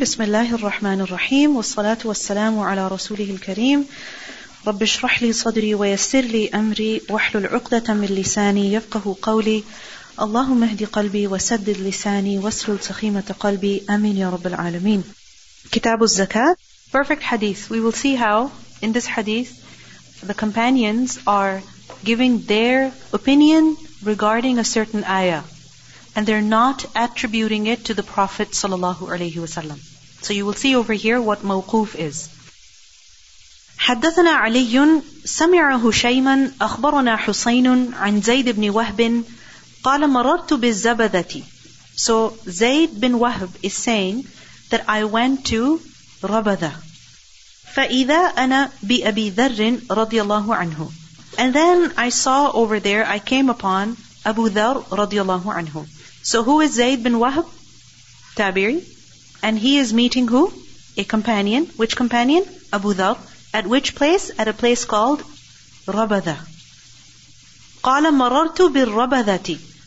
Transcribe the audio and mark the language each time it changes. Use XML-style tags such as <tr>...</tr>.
<ar>بسم الله الرحمن الرحيم، والصلاة والسلام على رسوله الكريم. رب اشرح لي صدري ويسر لي أمري واحلل عقدة من لساني يفقه قولي. اللهم اهد قلبي وسدد لساني واسلل سخيمة قلبي، أمين يا رب العالمين. كتاب الزكاة.</ar> <en>Perfect hadith. We will see how in this hadith the companions are giving their opinion regarding a certain ayah, and they're not attributing it to the Prophet sallallahu alayhi wasallam. So you will see over here what mawquf is.</en> <ar>حدثنا علي سمع هشيما أخبرنا حسين عن زيد بن وهب قال مررت بالزبدة.</ar> <en>So Zayd bin Wahb is saying that I went to Rabada.</en> <ar>فإذا أنا بأبي ذر رضي الله عنه.</ar> <en>And then I saw over there, I came upon Abu Dharr radiallahu anhu. So who is Zayd bin Wahb? Tabi'i. And he is meeting who? A companion. Which companion? Abu Dharr. At which place? At a place called Rabada.</en> <ar>قَالَ مَرَرْتُ بِالرَّبَذَةِ.</ar>